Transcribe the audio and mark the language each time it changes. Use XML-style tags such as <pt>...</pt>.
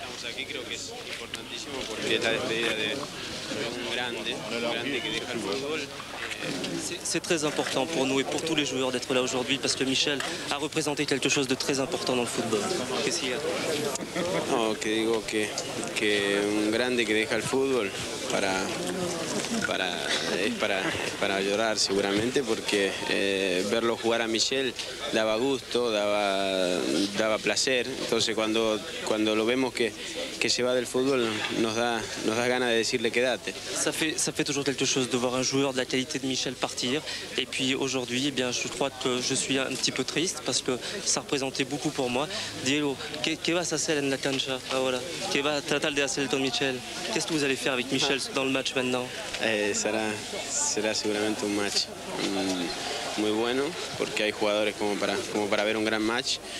<es>Aquí creo que es importantísimo porque es la despedida de un grande que deja el fútbol.</es> <fr>C'est très important pour nous et pour tous les joueurs d'être là aujourd'hui parce que Michel a représenté quelque chose de très important dans le football. Qu'est-ce qu'il y a ?</fr> <es>Oh, que digo que un grande que deja el fútbol para llorar seguramente porque verlo jugar a Michel daba gusto, daba placer. Entonces cuando lo vemos que se va del fútbol nos da ganas de decirle quédate.</es> <fr>Ça fait toujours quelque chose de voir un joueur de la qualité de Michel partir. Et puis aujourd'hui, eh bien, je crois que je suis un petit peu triste parce que ça représentait beaucoup pour moi.</fr> <es>Diego, qué vas a hacer en la cancha?</es> <fr>Ah voilà.</fr> <es>Qué va a tratar de hacer con Michel?</es> <fr>Qu'est-ce que vous allez faire avec Michel dans le match maintenant?</fr> <es>Será seguramente un match muy bueno porque hay jugadores como para ver un gran match.</es>